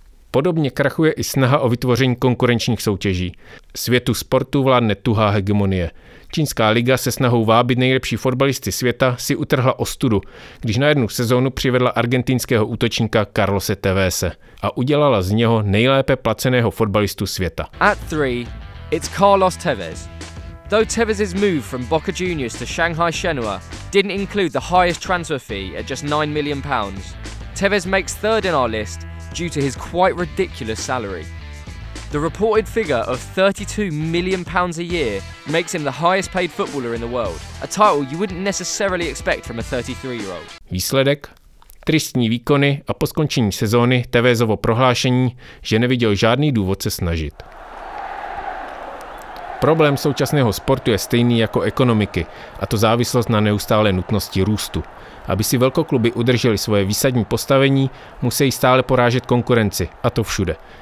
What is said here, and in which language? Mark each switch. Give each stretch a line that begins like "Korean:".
Czech: Podobně krachuje i snaha o vytvoření konkurenčních soutěží. Světu sportu vládne tuhá hegemonie. Čínská liga se snahou vábit nejlepší fotbalisty světa si utrhla ostudu, když na jednu sezónu přivedla argentinského útočníka Carlose Tevese a udělala z něho nejlépe placeného fotbalistu světa.
English: At three, it's Carlos Tevez. Though Tevez's move from Boca Juniors to Shanghai Shenhua didn't include the highest transfer fee at just £9 million, Tevez makes third in our list due to his quite ridiculous salary. The reported figure of £32 million a year makes him the highest paid footballer in the world, a title you wouldn't necessarily expect from a 33-year-old.
Czech: Výsledek? Tristní výkony a po skončení sezóny Tevezovo prohlášení, že neviděl žádný důvod se snažit. Problém současného sportu je stejný jako ekonomiky, a to závislost na neustálé nutnosti růstu. Aby si velkokluby udržely svoje výsadní postavení, musí stále porážet konkurenci, a to všude.